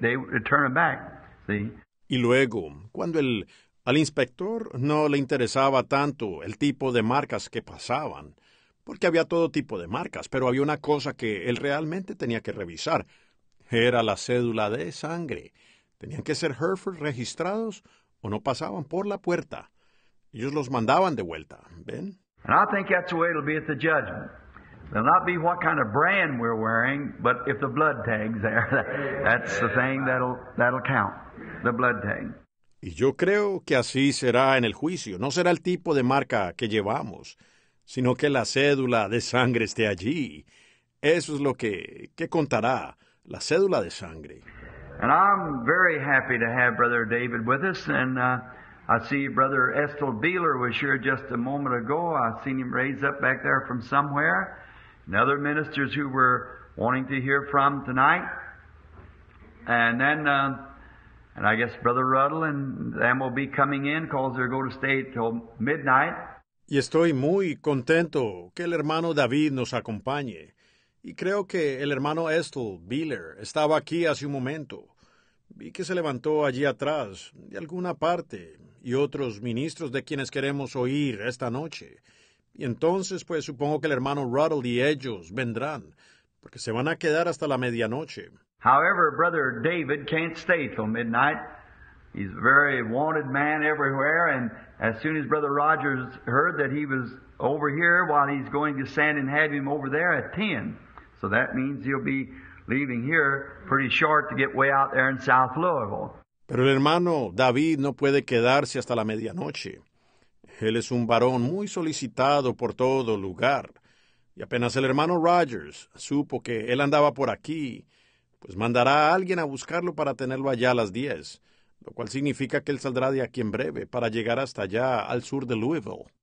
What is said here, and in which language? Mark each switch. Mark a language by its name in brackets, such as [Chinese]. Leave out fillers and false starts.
[English] They would turn them back, see? [Spanish] Y luego, cuando al inspector no le interesaba tanto el tipo de marcas que pasaban, porque había todo tipo de marcas, pero había una cosa que él realmente tenía que revisar. Era la cédula de sangre. Tenían que ser Hereford registrados o no pasaban por la puerta. Ellos los mandaban de vuelta, ¿ven? [English] And I think that's the way it'll be at the judgment. It'll not be what kind of brand we're wearing, but if the blood tag's there, that's the thing that'll count, the blood tag. [Spanish] Y yo creo que así será en el juicio. No será el tipo de marca que llevamos, sino que la cédula de sangre esté allí. Eso es lo que contará, la cédula de sangre. [English] And I'm very happy to have Brother David with us, and I see Brother Estel Beeler was here just a moment ago. I seen him raise up back there from somewhere. And other ministers who were wanting to hear from tonight. And then, and I guess Brother Ruddle and them will be coming in because they're going to stay till midnight. [Spanish] Y estoy muy contento que el hermano David nos acompañe. Y creo que el hermano Estel Beeler estaba aquí hace un momento. Vi que se levantó allí atrás de alguna parte y otros ministros de quienes queremos oír esta noche. Y entonces, pues, supongo que el hermano Ruddle y ellos vendrán, porque se van a quedar hasta la medianoche. [English] However, Brother David can't stay till midnight. He's a very wanted man everywhere, and as soon as Brother Rogers heard that he was over here, while he's going to send and have him over there at 10. So that means he'll be leaving here pretty short to get way out there in South Louisville. [Spanish] Pero el hermano David no puede quedarse hasta la medianoche. Él es un varón muy solicitado por todo lugar. Y apenas el hermano Rogers supo que él andaba por aquí, pues mandará a alguien a buscarlo para tenerlo allá a las 10, lo cual significa que él saldrá de aquí en breve para llegar hasta allá al sur de Louisville.